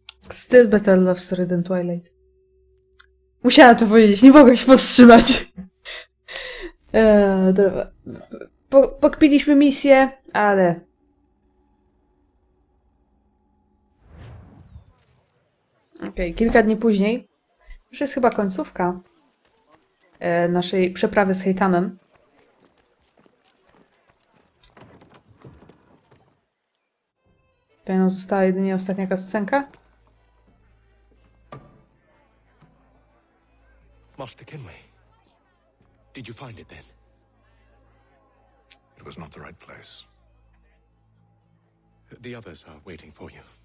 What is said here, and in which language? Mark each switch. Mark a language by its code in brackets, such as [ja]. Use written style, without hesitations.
[en] Still better love story than Twilight. [pl] Musiałam to powiedzieć, nie mogę się powstrzymać. Dobra. Pokpiliśmy misję, ale... Okej, okay, kilka dni później. Już jest chyba końcówka naszej przeprawy z Haythamem. Tutaj nam została jedynie ostatnia kascenka. [en] Master Kenway, did you find it then? It was not the right place. The others are waiting for you.